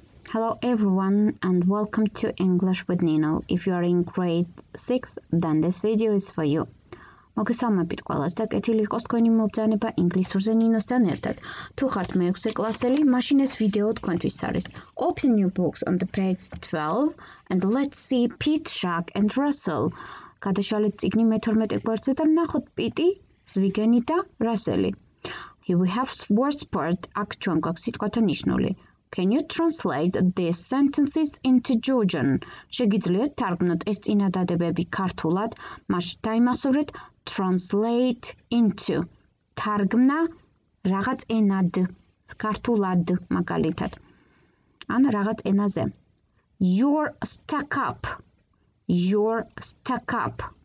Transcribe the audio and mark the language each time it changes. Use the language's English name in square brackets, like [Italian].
[English] Hello everyone and welcome to English with Nino. If you are in grade 6, then this video is for you. [Georgian] მოგესალმებით ყველას და კეთილი იყოს თქვენი მობრძანება ინგლისურზე ნინოსთან ერთად. თუ ხართ მეექვსე კლასელი, მაშინ ეს ვიდეო თქვენთვის არის. [English] Open your books on the page 12 and let's see Pete, Shark and Russell. [Georgian] გადაშალეთ წიგნი მე-12 გვერდზე და ნახოთ პიტი, ზვიგენი და რასელი. [English] Here we have word sport, აქ ჩვენ გვაქვს სიტყვათა ნიშნული. Can you translate these sentences into Georgian? [Georgian] შეგიძლიათ თარგმნოთ ეს წინადადებები ქართულად? მაშ დაიმახსოვრეთ translate into. თარგმნა რაღაც ენად, ქართულად მაგალითად. ან რაღაც ენაზე. [English] You're stuck up. You're stuck up.